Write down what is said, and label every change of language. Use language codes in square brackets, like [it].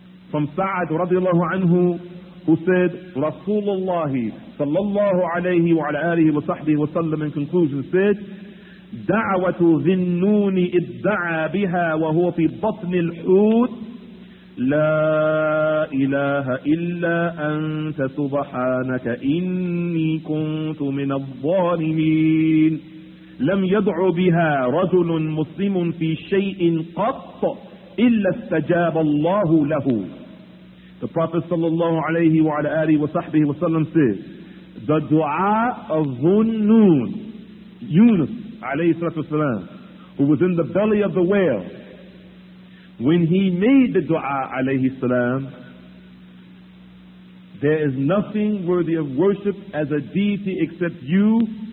[en] from Sa'ad radiallahu anhu, who said, Rasulullah sallallahu alayhi wa ala alihi wa sahbihi wa sallam, in conclusion said, [ar] da'watu zinnuni idda'a biha wa huwa fi batni al-hud, la ilaha illa anta subhanaka inni kuntu min al-zalimin. لم يدع بها رجل مسلم في شيء قط إلا استجاب الله له. [en] The Prophet sallallahu alayhi wa ala alihi wa sahbihi wa sallam says, the dua of Zunnun, Yunus alayhi salatu wasalam, who was in the belly of the whale, when he made the dua alayhi salam, there is nothing worthy of worship as a deity except you.